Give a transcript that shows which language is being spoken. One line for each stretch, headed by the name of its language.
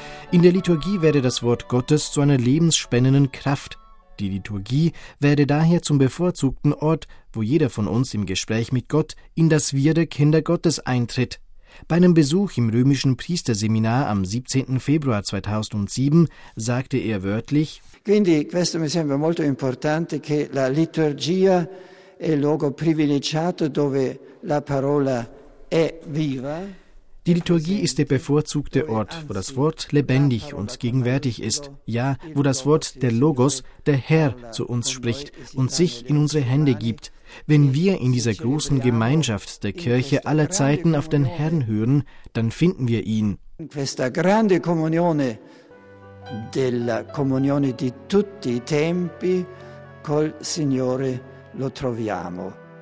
German: In der Liturgie werde das Wort Gottes zu einer lebensspendenden Kraft. Die Liturgie werde daher zum bevorzugten Ort, wo jeder von uns im Gespräch mit Gott in das Wir der Kinder Gottes eintritt. Bei einem Besuch im römischen Priesterseminar am 17. Februar 2007 sagte er wörtlich:
Italian: Quindi questo mi sembra molto importante che la liturgia è il luogo privilegiato dove la parola è viva.
German: Die Liturgie ist der bevorzugte Ort, wo das Wort lebendig und gegenwärtig ist, ja, wo das Wort der Logos, der Herr, zu uns spricht und sich in unsere Hände gibt. Wenn wir in dieser großen Gemeinschaft der Kirche aller Zeiten auf den Herrn hören, dann finden wir ihn.
Italian: In questa grande comunione della comunione di tutti i tempi col Signore lo troviamo.